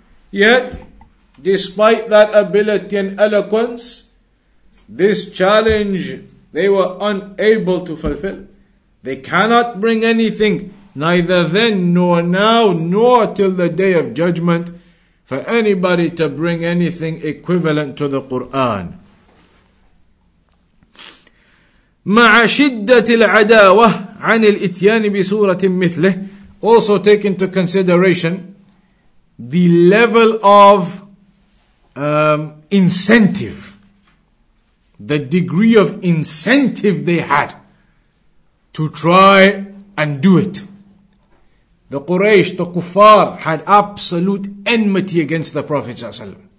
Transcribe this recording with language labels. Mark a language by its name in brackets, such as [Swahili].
[English] Yet, despite that ability and eloquence, this challenge they were unable to fulfill. They cannot bring anything, neither then nor now, nor till the day of judgment, for anybody to bring anything equivalent to the Qur'an. [Arabic] مع شدة العداوة عن الاتيان بسورة مثله. [English] Also take into consideration the level of incentive, the degree of incentive they had to try and do it. The Quraysh, the Kuffar, had absolute enmity against the Prophet ﷺ.